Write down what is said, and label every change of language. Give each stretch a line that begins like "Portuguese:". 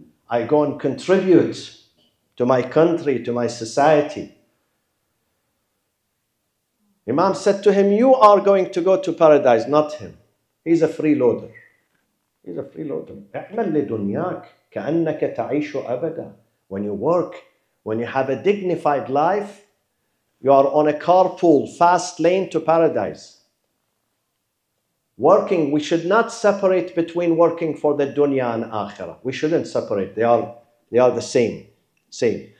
English: I go and contribute to my country, to my society. Imam said to him, you are going to go to paradise, not him. He's a freeloader. He's a freeloader.
Arabic: اعمل لدنياك كأنك تعيش أبدا.
English: When you work, when you have a dignified life, you are on a carpool, fast lane to paradise. Working, we should not separate between working for the dunya and akhirah. We shouldn't separate. They are the same. Same.